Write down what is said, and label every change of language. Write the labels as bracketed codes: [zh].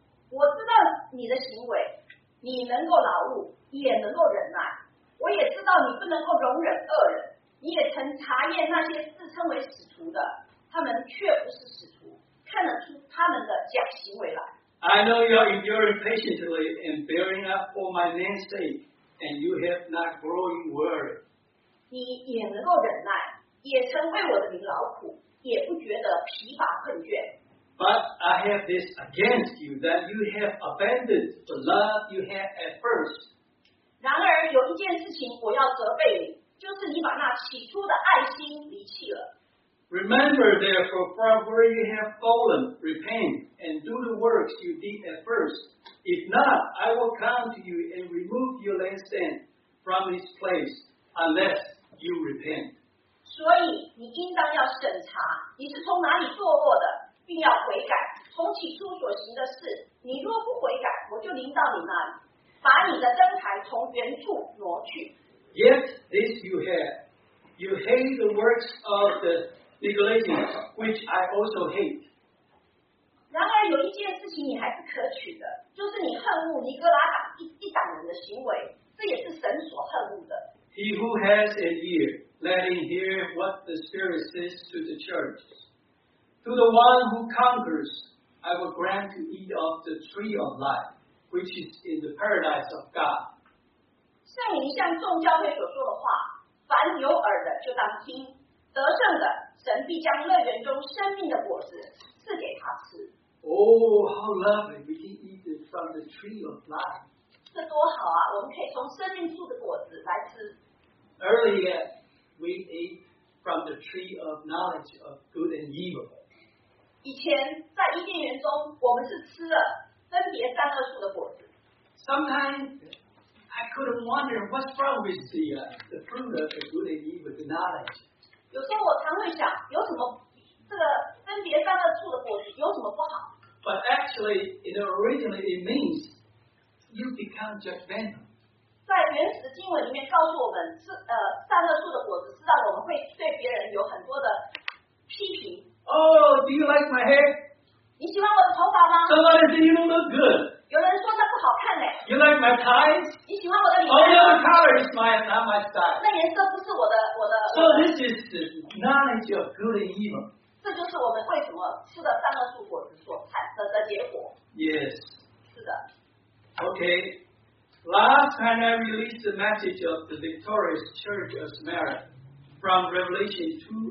[zh] 我知道你的行为，你能够劳碌，也能够忍耐。我也知道你不能够容忍恶人。你也曾查验那些自称为使徒的，他们却不是使徒，看得出他们的假行为来。 [en] I know you are enduring patiently and bearing up for my name's sake, and you have not grown weary. [zh] 你也能够忍耐，也曾为我的名劳苦，也不觉得疲乏困倦。 [en] But I have this against you that you have abandoned the love you had at first. [zh] 然而有一件事情我要责备你。就是你把那起初的爱心离弃了。 [en] Remember, therefore, from where you have fallen, repent and do the works you did at first. If not, I will come to you and remove your lampstand from its place, unless you repent. [zh] 所以你应当要审查你是从哪里堕落的，并要悔改从起初所行的事。你若不悔改，我就临到你那里，把你的灯台从原处挪去。 [en] Yet this you have, you hate the works of the Nicolaitans, which I also hate. [zh] 然而有一件事情你还是可取的，就是你恨恶尼哥拉党一党人的行为，这也是神所恨恶的。 [en] He who has an ear, let him hear what the Spirit says to the churches. To the one who conquers, I will grant to eat of the tree of life, which is in the paradise of God. [zh] 圣灵向众教会所说的话，凡有耳的就当听。得胜的，神必将乐园中生命的果实赐给他吃。 [en] Oh, how lovely! We can eat it from the tree of life. [zh] 这多好啊！我们可以从生命树的果子来吃。 [en] Earlier, we ate from the tree of knowledge of good and evil. [zh] 以前在伊甸园中，我们是吃了分别善恶树的果子。 [en] Sometimes. I couldn't wonder what's wrong with the fruit of the good and evil the knowledge. [zh] 有时候我常会想，有什么这个分别善恶树的果子有什么不好？ [en] But actually, it originally it means you become judgmental. [zh] 在原始的经文里面告诉我们，善恶树的果子是让我们会对别人有很多的批评。 [en] Oh, do you like my hair? [zh] 你喜欢我的头发吗？ [en] Somebody say you don't look good. [zh] 有人说那不好看嘞。 [en] You like my ties? [zh] 你喜欢我的领带吗？ [en] Oh, your color is my, not my style. [zh] 那颜色不是我的。 [en] So this is knowledge of good and evil. [zh] 这就是我们为什么吃了善恶树果子所产生的结果。 [en] Yes. [zh] 是的。 [en] Okay. Last time I released the message of the victorious church of Smyrna from Revelation